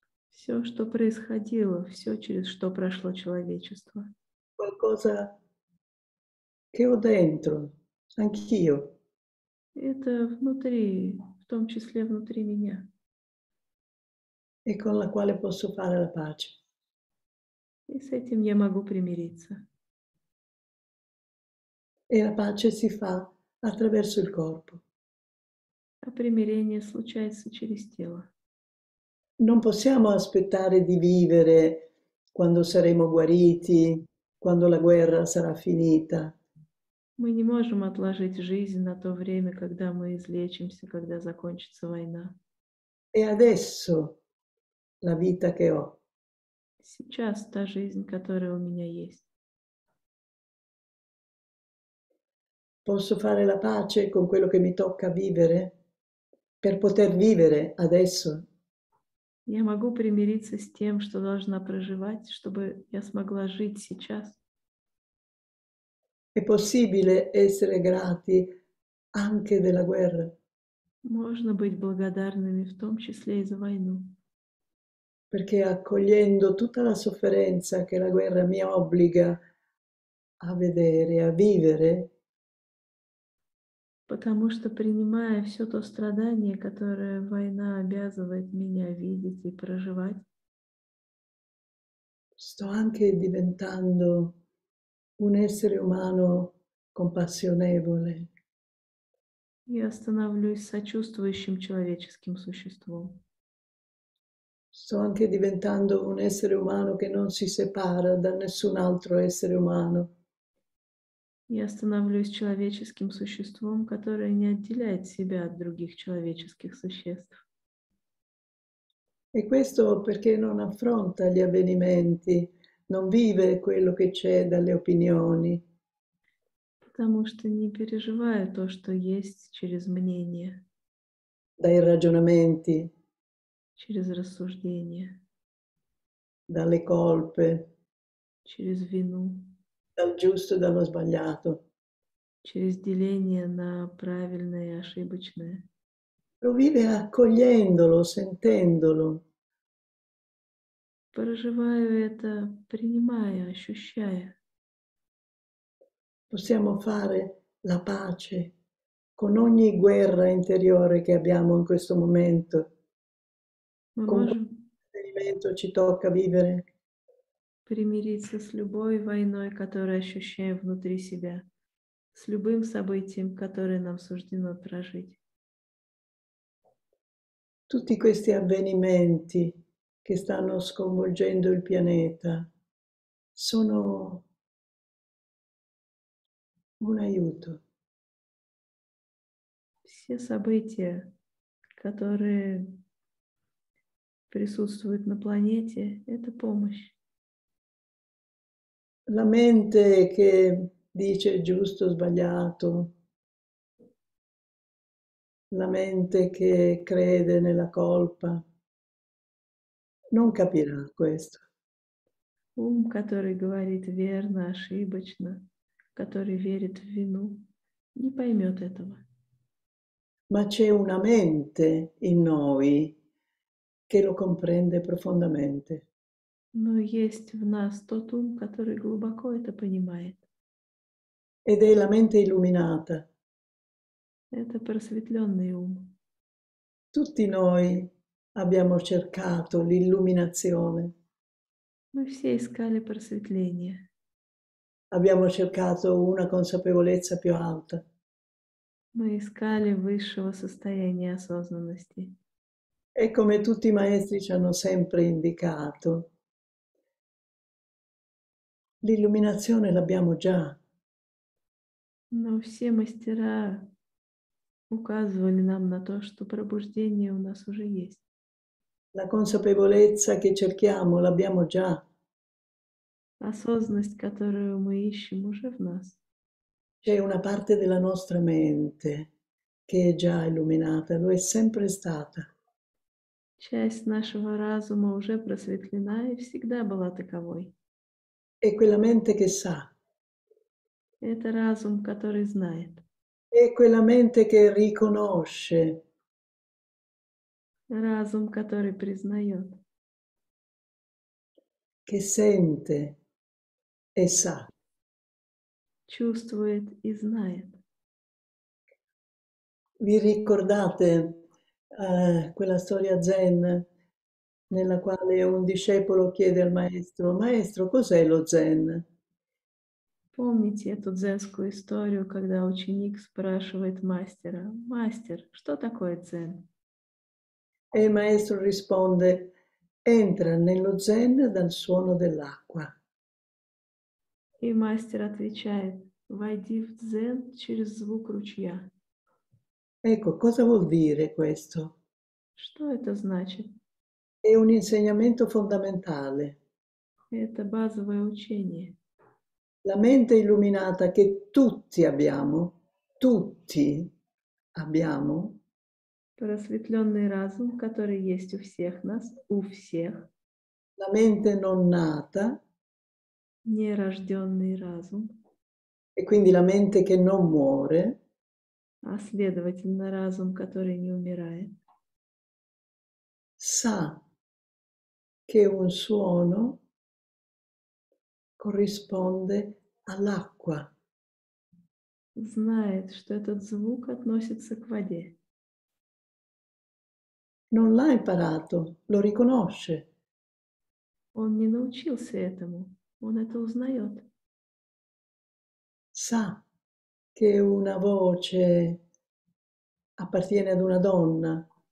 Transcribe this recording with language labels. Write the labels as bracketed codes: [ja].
[ru] Все, что происходило, все, через что прошло человечество. [it] Qualcosa che ho dentro, anch'io. [ru] Это внутри, в том числе внутри меня. [it] E con la quale posso fare la pace. [ru] И с этим я могу примириться. [it] E la pace si fa attraverso il corpo. [ru] А примирение случается через тело. [it] Non possiamo aspettare di vivere quando saremo guariti, quando la guerra sarà finita. [ru] Мы не можем отложить жизнь на то время, когда мы излечимся, когда закончится война. [it] E adesso la vita che ho. [ru] Сейчас та жизнь, которая у меня есть. [it] Posso fare la pace con quello che mi tocca vivere? Per poter vivere adesso. [ru] Я могу примириться с тем, что должна проживать, чтобы я смогла жить сейчас. [it] È possibile essere grati anche della guerra. [ru] Можно быть благодарными в том числе и за войну. [it] Perché accogliendo tutta la sofferenza che la guerra mi obbliga a vedere, a vivere, [ru] Потому что, принимая все то страдание, которое война обязывает меня видеть и проживать, [it] sto anche diventando un essere umano compassionevole. [ru] Я становлюсь сочувствующим человеческим существом. [it] Sto anche diventando un essere umano che non si separa da nessun altro essere umano. [ru] Я становлюсь человеческим существом, которое не отделяет себя от других человеческих существ. [it] E questo perché non affronta gli avvenimenti, non vive quello che c'è dalle opinioni. [ru] Потому что не переживаю то, что есть через мнение. [it] Dai ragionamenti. [ru] Через рассуждение. [it] Dalle colpe. [ru] Через вину. [it] Dal giusto e dallo sbagliato. [ru] Через деление на правильное и ошибочное. [it] Lo vive accogliendolo, sentendolo. [ru] Проживаю это, принимаю, ощущаю. [it] Possiamo fare la pace con ogni guerra interiore che abbiamo in questo momento, [ru] Мы [it] con quale [ru] можем [it] sentimento ci tocca vivere. [ru] примириться с любой войной, которую ощущаем внутри себя, с любым событием, которое нам суждено прожить. [it] Tutti questi avvenimenti che stanno sconvolgendo il pianeta sono un aiuto. [ru] Все события, которые присутствуют на планете, это помощь. [it] La mente che dice giusto o sbagliato. La mente che crede nella colpa non capirà questo. [ru] Ум, который говорит верно, ошибочно, который верит в вину, не поймет этого. [it] Ma c'è una mente in noi che lo comprende profondamente. [ru] Но есть в нас тот ум, который глубоко это понимает. [it] Ed è la mente illuminata. [ru] Это просветленный ум. [it] Tutti noi abbiamo cercato l'illuminazione. [ru] Мы все искали просветление. [it] Abbiamo cercato una consapevolezza più alta. [ru] Мы искали высшего состояния осознанности. [it] E come tutti i maestri ci hanno sempre indicato, l'illuminazione l'abbiamo già. [ru] Но все мастера указывали нам на то, что пробуждение у нас уже есть. [it] La consapevolezza che cerchiamo l'abbiamo già. [ru] Осознанность, которую мы ищем, уже в нас. [it] C'è una parte della nostra mente che è già illuminata, lo è sempre stata. [ru] Часть нашего разума уже просветлена и всегда была таковой. [it] È quella mente che sa. [ru] Это разум, который знает. [it] È quella mente che riconosce. [ru] Разум, который признает. [it] Che sente e sa. [ru] Чувствует и знает. [it] Vi ricordate quella storia Zen nella quale un discepolo chiede al maestro: Maestro, cos'è lo Zen? [ru] Помните эту дзенскую историю, когда ученик спрашивает мастера: «Мастер, что такое дзен?» [it] E il maestro risponde: Entra nello zen dal suono dell'acqua. [ru] И мастер отвечает: «Войди в дзен через звук ручья». [it] Ecco, cosa vuol dire questo? [ru] Что это значит? [it] È un insegnamento fondamentale. [ru] Это базовое учение. [it] La mente illuminata che tutti abbiamo, [ru] Просветленный разум, который есть у всех нас, у всех. [it] La mente non nata, [ru] Нерожденный разум. [it] e quindi la mente che non muore, [ru] а следовательно разум, который не умирает. [it] Sa che un suono corrisponde all'acqua. [ru] Знает, что этот звук относится к воде. [it] Non l'ha imparato, lo riconosce. [ru] Он не научился этому, он это узнает. [it] Sa che una voce appartiene ad una donna.